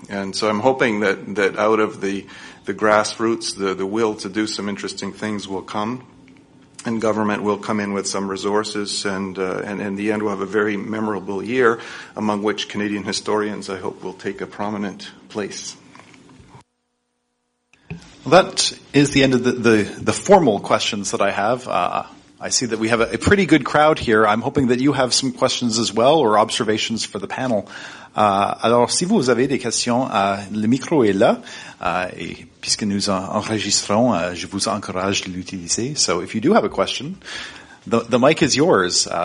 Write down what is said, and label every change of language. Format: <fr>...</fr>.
<en>And so I'm hoping that out of the grassroots, the will to do some interesting things will come, and government will come in with some resources, and in the end we'll have a very memorable year, among which Canadian historians, I hope, will take a prominent place. Well, that is the end of the formal questions that I have. I see that we have a pretty good crowd here. I'm hoping that you have some questions as well or observations for the panel.</en> <fr>Alors, si vous avez des questions, le micro est là. Et puisque nous enregistrons, je vous encourage de l'utiliser.</fr> <en>So if you do have a question, the mic is yours.</en>